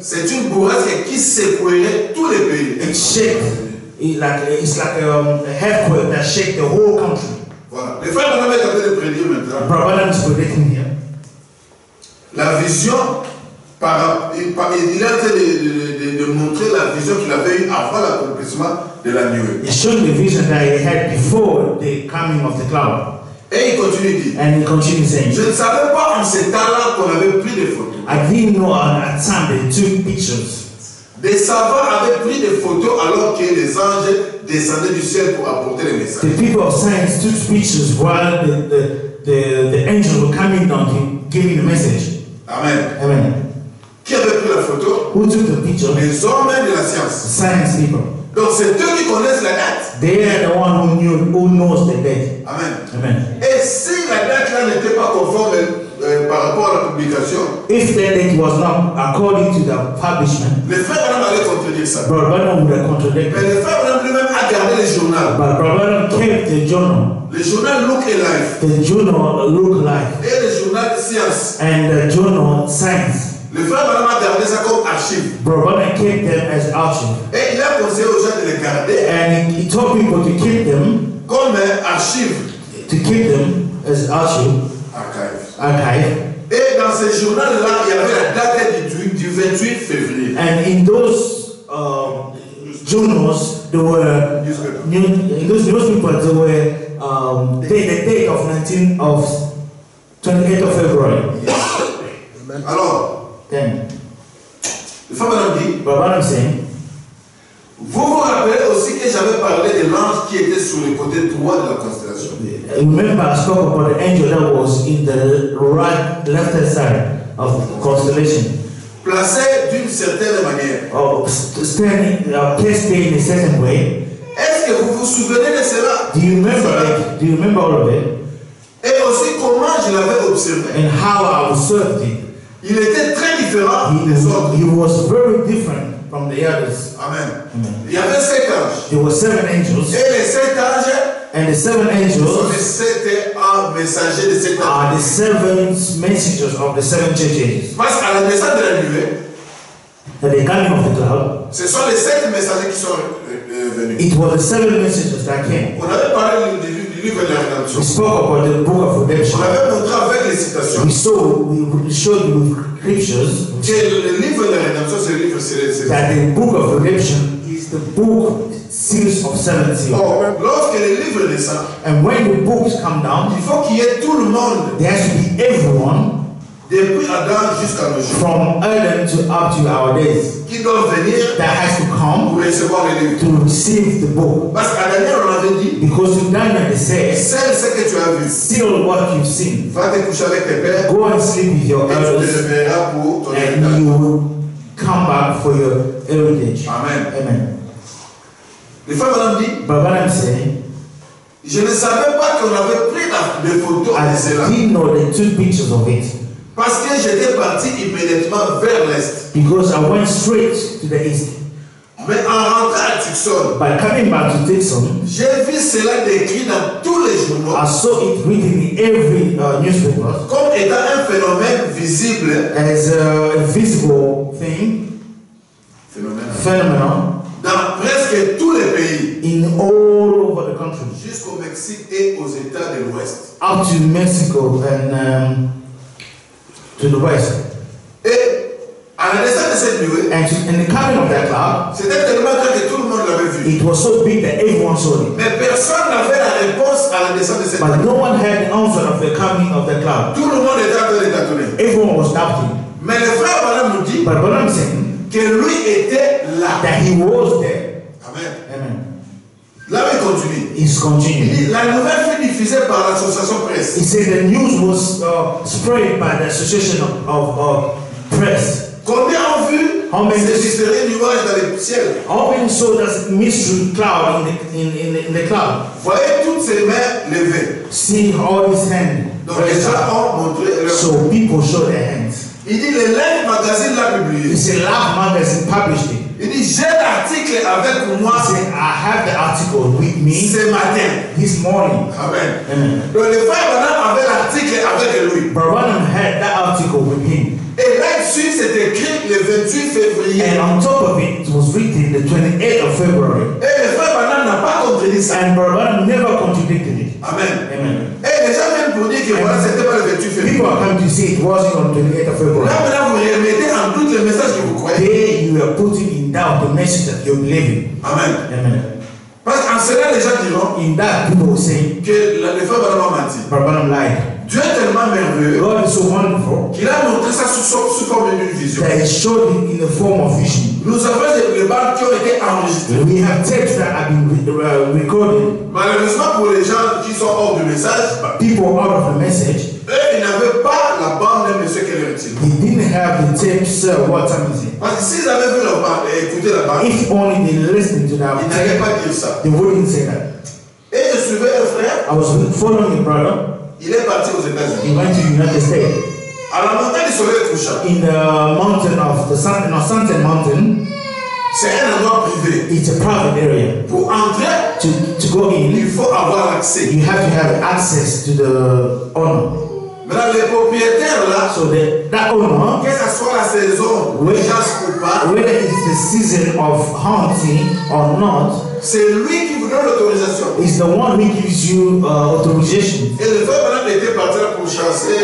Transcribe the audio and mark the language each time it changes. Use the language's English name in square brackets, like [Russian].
[French] C'est une bourrasque qui secouait tous les pays. [English] It shake, it's like a earthquake that shake the whole country. [French] Voilà. Les frères Branham est en train de prédire maintenant. [English] Branham is predicting here. [French] La vision, il est en train de montrer la vision qu'il avait eue avant l'accomplissement de la nuée. [English] He showed the vision that he had before the coming of the cloud. [French] Et il continue de dire. [English] And he continues saying. [French] Je ne savais pas en ces temps-là qu'on avait pris des photos. [English] I didn't know at that time they took pictures. [French] Des savants avaient pris des photos alors que les anges descendaient du ciel pour apporter les messages. [English] The people of science took pictures while the angels were coming down to giving the message. [French] Amen. [English] Amen. [French] Qui avait pris la photo? [English] Who took the picture? [French] Les hommes de la science. [English] The science people. [French] Donc c'est eux qui connaissent la date. [English] They are the one who knows the date. [French] Amen. [English] Amen. [French] Et si la date-là n'était pas conforme par rapport à la publication, [English] if the date was not according to the publishment, [French] le frère Branham allait contredire ça. [English] Brother Branham would have contradicted. [French] Mais le frère Branham lui-même a gardé le journal. [English] But Brother Branham kept the journal. [French] Le journal Look Alive. [English] The journal Look Alive. [French] Et le journal Science. [English] And the journal Science. [French] Le frère Branham a gardé ça comme archive. [English] Brother Branham kept them as archive. [French] Et il a conseillé aux gens de les garder. [English] And he told people to keep them. [French] Comme archive. [English] To keep them as archive. [French] Archive. [English] Okay. [French] Et dans ces journaux-là, il y avait la date du 28 février. [English] And in those journals, there were newspapers. There were the date of 28th of February. Yes. [French] Alors, [English] then, [French] le frère Branham dit, [English] Branham saying, [French] vous vous rappelez aussi que j'avais parlé de l'ange qui était sur le côté droit de la constellation. [English] Remember, I spoke about the angel that was in the right, left hand side of the constellation. [French] Placé d'une certaine manière. [English] Oh, placed in a certain way. [French] Est-ce que vous vous souvenez de cela? [English] Do you remember it? Do you remember all of it? [French] Et aussi comment je l'avais observé. [English] And how I observed it. [French] Il était très différent. [English] He was very different from the others. [French] Amen. Il y avait sept anges. [English] There were seven angels. [French] Et les sept anges. [English] And the seven angels are the seven messengers of the seven churches. [French] Parce qu'à la descente de la nuée, [English] at the coming of the cloud, [French] ce sont les sept messagers qui sont venus. [English] It was the seven messengers that came. [French] On avait parlé du livre de la rédemption. [English] We spoke about the book of redemption. [French] On avait montré avec les citations. [English] We showed with scriptures [French] que le livre de la rédemption, c'est le livre sérieux. [English] That the book of redemption is the book. Series of seven seals. And when the books come down, there has to be everyone [French] depuis Adam jusqu'à nos jours, [English] from Adam to up to our days [French] qui doit venir [English] that has to come [French] pour recevoir le livre. [English] To receive the book. [French] Parce qu'à Daniel, on avait dit, [English] because in Daniel it says, [French] seal ce que tu as vu, [English] seal what you've seen, [French] va te coucher avec tes pères, [English] go and sleep with your elders, and you will come back for your heritage. [French] Amen. [English] Amen. [French] Le frère Branham dit, [English] Baba Ram saying, [French] je ne savais pas qu'on avait pris les photos de cela. [English] I didn't know they took pictures of it. [French] Parce que j'étais parti immédiatement vers l'est. [English] Because I went straight to the east. [French] Mais en rentrant à Tucson, [English] by coming back to Tucson, [French] j'ai vu cela décrit dans tous les journaux. [English] I saw it written in every newspaper. [French] Comme étant un phénomène visible. [English] As a visible thing. [French] Phénomène. Dans presque tous les pays, [English] in all over the country, [French] jusqu'au Mexique et aux États de l'Ouest, [English] up to Mexico and to the West. [French] Et à l'instant de cette nuée, [English] and in the coming of that cloud, [French] c'était tellement grand que tout le monde l'avait vu. [English] It was so big that everyone saw it. [French] Mais personne n'avait la réponse à la descente de cette nuée. [English] But no one had the answer of the coming of the cloud. [French] Tout le monde était en train d'étonner. [English] Everyone was doubting. [French] Mais le frère Branham nous dit, [English] but Branham said, [French] que lui était là. [English] That he was there. [French] Amen. [English] Amen. [French] L'avait continué. [English] He's continuing. [French] La nouvelle fut diffusée par l'association presse. [English] He said the news was spread by the association of press. [French] Combien ont vu ces mystérieux nuages dans le ciel? [English] How many saw that mystery cloud in the cloud? [French] Voyez toutes ces mains levées. [English] See all his hands. [French] Donc les gens ont montré leurs mains. [English] So people showed their hands. [French] Il dit le Life magazine l'a publié. [English] He said Life magazine published it. [French] Il dit j'ai l'article avec moi. [English] He said, I have the article with me. [French] Ce matin. [English] This morning. [French] Amen. [English] Amen. [French] Donc le frère Branham avait l'article avec lui. [English] Branham had that article with him. [French] Et là-dessus, c'est écrit le 28 février. [English] And on top of it, it was written the 28th of February. [French] Et le frère Branham n'a pas contredit ça. [English] And Branham never contradicted it. [French] Amen. [English] Amen. [French] Et les gens viennent pour dire que voilà, c'était pas le 28 février. [English] People are coming to say it was on 28th of February. [French] Là, maintenant, vous remettez en doute le message que vous croyez. [English] There you are putting in doubt the message that you're believing. [French] Amen. [English] Amen. [French] Parce qu'en cela, les gens diront, [English] in that people will say, [French] que le frère Branham a menti. [English] Branham lied. [French] Dieu est tellement merveilleux, [English] God is so wonderful, [French] qu'il a montré ça sous forme d'une vision. [English] That he showed it in the form of vision. [French] Nous avons les bandes qui ont été enregistrées. [English] We have texts that have been recorded. [French] Malheureusement pour les gens qui sont hors du message, [English] people out of the message, [French] eux ils n'avaient pas la bande de ce qu'elle est. [English] They didn't have the tapes. Sir, what time is it? [French] Parce que s'ils avaient vu leur bande et écouté la bande, [English] if only they listened to that, [French] ils n'avaient pas dit ça. [English] They wouldn't say that. [French] Et je suivais un frère. [English] I was following a brother. [French] Il est parti aux États-Unis. [English] He went to the United States. [French] À la montagne du soleil couchant. [English] In the mountain of the sun, no, Santa Mountain. [French] C'est un endroit privé. [English] It's a private area. [French] Pour entrer, [English] to go in, [French] il faut avoir accès. [English] You have to have access to the owner. [French] Maintenant, les propriétaires là, [English] so that owner, [French] que ce soit la saison, [English] where, [French] chasse ou pas, [English] whether it's the season of hunting or not, [French] c'est lui qui vous donne l'autorisation. [English] Is the one who gives you authorization. [French] Et le frère Branham était parti là pour chasser.